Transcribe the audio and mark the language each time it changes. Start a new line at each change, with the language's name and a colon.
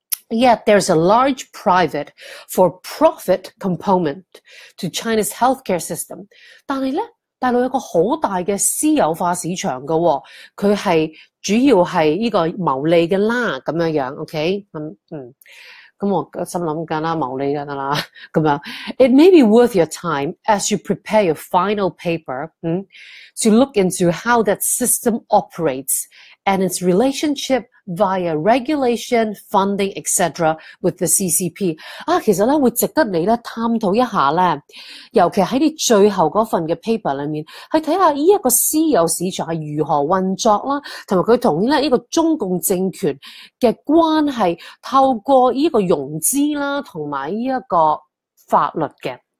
English: Yet there's a large private for profit component to China's healthcare system，
Cantonese: 但系咧大陆有个好大嘅私有化市场噶、哦，佢系主要系呢个牟利嘅啦，咁样样。OK，咁我心谂紧啦，谋利紧啦，咁样。
English: It may be worth your time as you prepare your final paper, to look into how that system operates and its relationship via regulation, funding, etc. with the CCP。
Cantonese: 啊，其实咧会值得你咧探讨一下咧，尤其喺你最后嗰份嘅 paper 里面，去睇下呢一个私有市场系如何运作啦，同埋佢同咧呢个中共政权嘅关系，透过呢个融资啦，同埋呢一个法律嘅